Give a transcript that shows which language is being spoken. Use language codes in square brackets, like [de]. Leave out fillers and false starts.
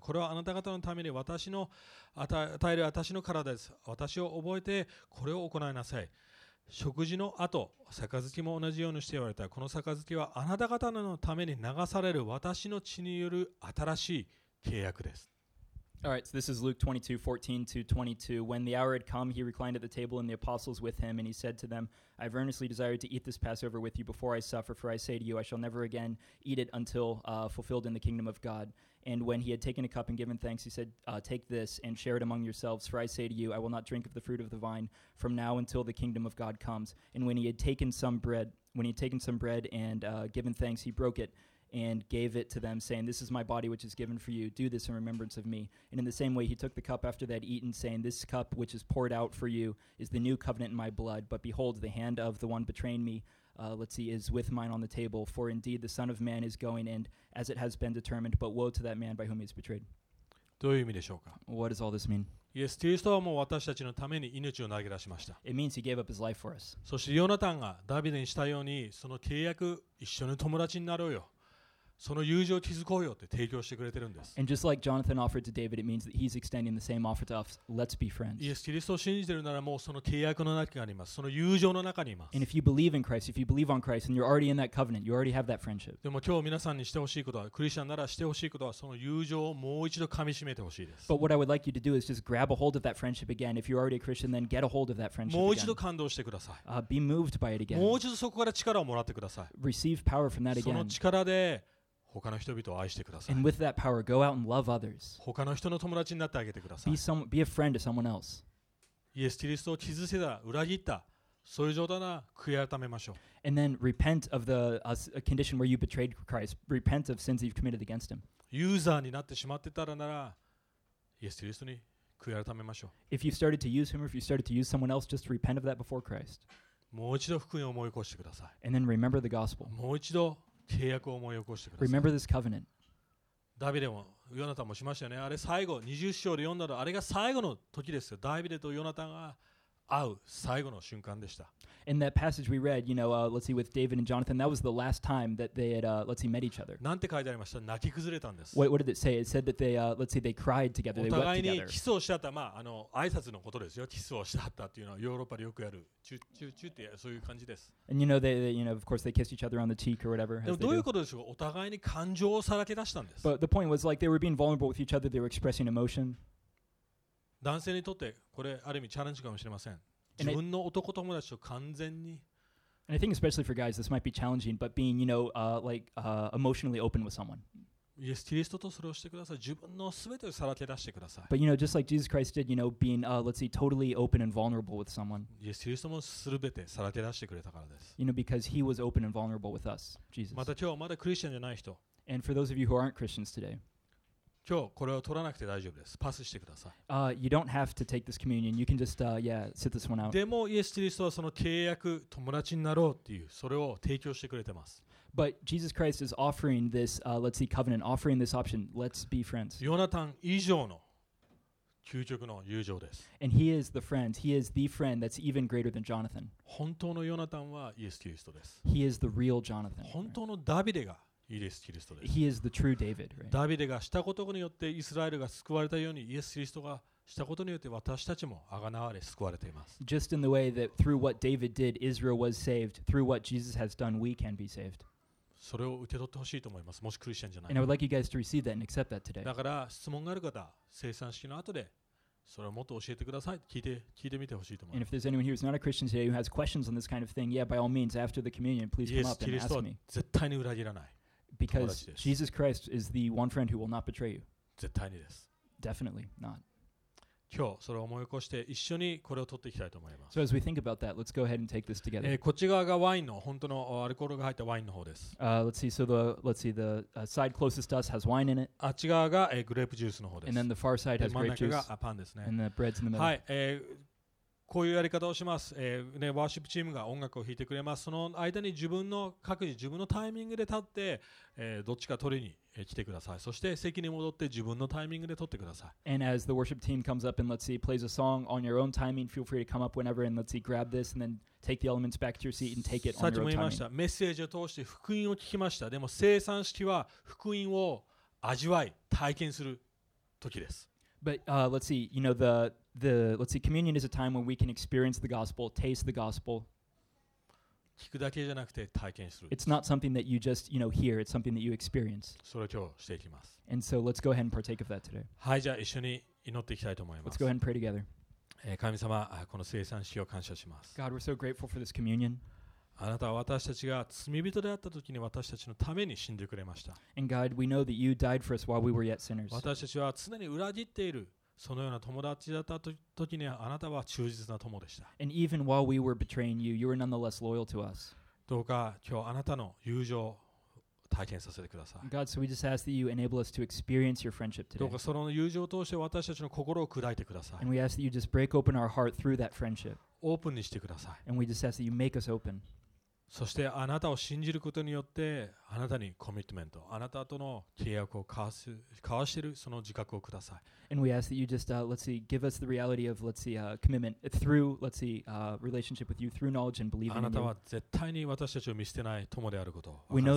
[ja] これはあなた方のために私の与える私の体です。私を覚えてこれを行いなさい。食事の後、杯も同じようにして言われた。この杯はあなた方のために流される私の血による新しい契約です。 [en] All right, so this is Luke 22, 14 to 22. When the hour had come, he reclined at the table and the apostles with him, and he said to them, I have earnestly desired to eat this Passover with you before I suffer, for I say to you, I shall never again eat it until fulfilled in the kingdom of God. And when he had taken a cup and given thanks, he said, take this and share it among yourselves, for I say to you, I will not drink of the fruit of the vine from now until the kingdom of God comes. And when he had taken some bread and given thanks, he broke it and gave it to them, saying, "This is my body which is given for you. Do this in remembrance of me." And in the same way, he took the cup after they had eaten, saying, "This cup which is poured out for you is the new covenant in my blood. But behold, the hand of the one betraying me, is with mine on the table. For indeed, the Son of Man is going in as it has been determined. But woe to that man by whom he is betrayed." [ja] どういう意味でしょうか? [en] What does all this mean? [ja] Yes, キリストはもう私たちのために命を投げ出しました。 [en] It means he gave up his life for us. [ja] そしてヨナタンがダビデにしたように、その契約、一緒に友達になろうよ。その友情を築こうよって提供してくれてるんです。 [en] And just like Jonathan offered to David, it means that he's extending the same offer to us. Let's be friends. [ja] Yes, キリストを信じてるならもうその契約の中にあります。その友情の中にいます。 [en] And if you believe in Christ, if you believe on Christ, then you're already in that covenant. You already have that friendship. [ja] でも今日皆さんにしてほしいことは、クリスチャンならしてほしいことは、その友情をもう一度噛み締めてほしいです。 [en] But what I would like you to do is just grab a hold of that friendship again. If you're already a Christian, then get a hold of that friendship [ja] again. もう一度感動してください。 [en] Be moved by it again. [ja] もう一度そこから力をもらってください。 [en] Receive power from that again. [ja] その力で他の人々を愛してください。 [en] And with that power, go out and love others. [ja] 他の人の友達になってあげてください。 [en] Be a friend to someone else. [ja] イエス・キリストを傷せた、裏切った、そういう状態な悔い改めましょう。 [en] And then repent of the condition where you betrayed Christ. Repent of sins you've committed against him. [ja] ユーザーになってしまってたらなら、イエス・キリストに悔い改めましょう。 [en] If you started to use him or if you started to use someone else, just repent of that before Christ. [ja] もう一度福音を思い起こしてください。 [en] And then remember the gospel. [ja] もう一度契約を思い起こしてください。 [en] Remember this covenant. [ja] ダビデもヨナタンもしましたよね。あれ最後20章で読んだのあれが最後の時ですよ。ダビデとヨナタンが会う最後の瞬間でした。 [en] In that passage we read, you know, with David and Jonathan, that was the last time that they had, met each other. [ja] なんて書いてありました。泣き崩れたんです。 [en] What did it say? It said that they, they cried together. They wept together. [ja] お互いにキスをしたった、まあ挨拶のことですよ。キスをしたったっていうのはヨーロッパでよくやる。チュッチュッチュッってそういう感じです。 [en] And you know, they, of course, they kissed each other on the cheek or whatever. [ja] でもどういうことでしょう。お互いに感情をさらけ出したんです。 [en] But the point was like they were being vulnerable with each other. They were expressing emotion. [ja] 男性にとってこれある意味チャレンジかもしれません。自分の男友達と完全に。 [en] And I think especially for guys, this might be challenging, but being, you know, emotionally open with someone. [ja] イエス・キリストとそれをしてください。自分のすべてをさらけ出してください。 [en] But you know, just like Jesus Christ did, you know, being, totally open and vulnerable with someone. [ja] イエス・キリストもすべてさらけ出してくれたからです。 [en] You know, because he was open and vulnerable with us, Jesus. [ja] また今日まだクリスチャンじゃない人。 [en] And for those of you who aren't Christians today. [ja] 今日これを取らなくて大丈夫です。パスしてください。 [en] You don't have to take this communion. You can just, sit this one out. [ja] でもイエス・キリストはその契約、友達になろうっていうそれを提供してくれてます。 [en] But Jesus Christ is offering this, covenant, offering this option. Let's be friends. [ja] ヨナタン以上の究極の友情です。 [en] And he is the friend. He is the friend that's even greater than Jonathan. [ja] 本当のヨナタンはイエス・キリストです。 [en] He is the real Jonathan. [ja] 本当のダビデが。イエス・キリストです。 [en] He is the true David, right? [ja] ダビデがしたことによってイスラエルが救われたようにイエス・キリストがしたことによって私たちも贖われ救われています。 [en] Just in the way that through what David did, Israel was saved. Through what Jesus has done, we can be saved. [ja] それを受け取ってほしいと思います。もしクリスチャンじゃない。 [en] And I would like you guys to receive that and accept that today. [ja] だから質問がある方、聖餐式の後でそれをもっと教えてください。聞いてみてほしいと思います。 [en] And if there's anyone here who's not a Christian today who has questions on this kind of thing, yeah, by all means, after the communion, please come up and ask me. [ja] イエス・キリストは絶対に裏切らない。 [en] Because Jesus Christ is the one friend who will not betray you. [ja] 絶対にです。 [en] Definitely not. [ja] 今日それを思い起こして一緒にこれを取っていきたいと思います。 [en] So as we think about that, let's go ahead and take this together. [ja] こっち側がワインの本当のアルコールが入ったワインの方です。 [en] The side closest to us has wine in it. [ja] あっち側がグレープジュースの方です。 [en] And then the far side has grape juice. [ja] 真ん中がパンですね。 [en] And the bread's in the middle. [ja] はい。こういうやり方をします、ね、ワーシップチームが音楽を弾いてくれますその間に自分の各自自分のタイミングで立って、どっちか取りに来てくださいそして席に戻って自分のタイミングで取ってください [en] And as the worship team comes up and let's see plays a song on your own timing feel free to come up whenever and let's see grab this and then take the elements back to your seat and take it on your own timing [ja] さっきも言いましたメッセージを通して福音を聞きましたでも聖餐式は福音を味わい体験する時です [en] But let's see, you know, the let's see, communion is a time when we can experience the gospel, taste the gospel. [ja] 聞くだけじゃなくて体験する。 [en] It's not something that you just, you know, hear. It's something that you experience. [ja] それを今日していきます。 [en] And so let's go ahead and partake of that today. [ja] はい、じゃあ一緒に祈っていきたいと思います。 [en] Let's go ahead and pray together. [ja] 神様、この聖餐式を感謝します。 [en] God, we're so grateful for this communion. [ja] あなたは私たちが罪人であった時に私たちのために死んでくれました。 [en] And God, we know that you died for us while we were yet sinners. [ja] 私たちは常に裏切っているそのような友達だった時にあなたは忠実な友でした。 [en] And even while we were betraying you, you were nonetheless loyal to us. [ja] どうか今日あなたの友情を体体験させてください。 [en] God, so we just ask that you enable us to experience your friendship today. [ja] どうかその友情を通して私たちの心を砕いてください。 [en] And we ask that you just break open our heart through that friendship. [ja] オープンにしてください。 [en] And we just ask that you make us open. [ja] そしてあなたを信じることによってあなたにコミットメント、あなたとの契約を交わしているその自覚をください。 [en] And we ask that you just, let's see, give us the reality of, let's see, commitment through, let's see, relationship with you, through knowledge and believing in you. [ja] あなたは絶対に私たちを見捨てない友であることを分か